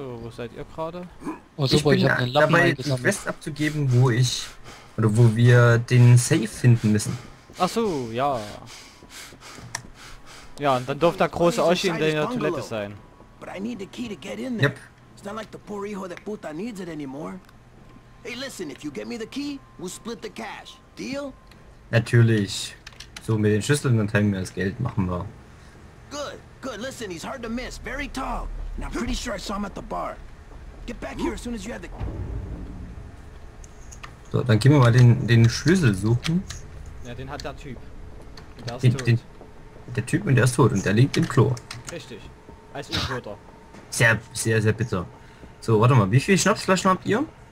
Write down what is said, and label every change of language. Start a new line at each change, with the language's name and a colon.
German: Seid ihr gerade? Oh, super, ich habe einen Lappen eingesammelt. Ich bin dabei, abzugeben, wo ich oder wo wir den Safe finden müssen. Ach so, ja. Ja, und dann durfte der große Oschi in der Toilette sein.
English: But I need the key to get in there. Yep. It's not like the poor
Spanish: hijo that puta
English: needs it anymore. Hey, listen, if you get me the key, we'll split the cash.
German: Deal? Natürlich. So mit den Schlüsseln dann teilen wir das Geld, machen wir.
English: Good, good. Listen, he's hard to miss, very tall. And I'm pretty sure I saw him at the bar. Get back here as soon as you have the...
German: So, dann gehen wir mal den Schlüssel suchen. Ja, den hat der Typ. Und der ist tot. Der Typ und der ist tot und der liegt im Klo. Richtig. Als Untoter. Sehr, sehr, sehr bitter. So, warte mal. Wie viele Schnapsflaschen habt ihr?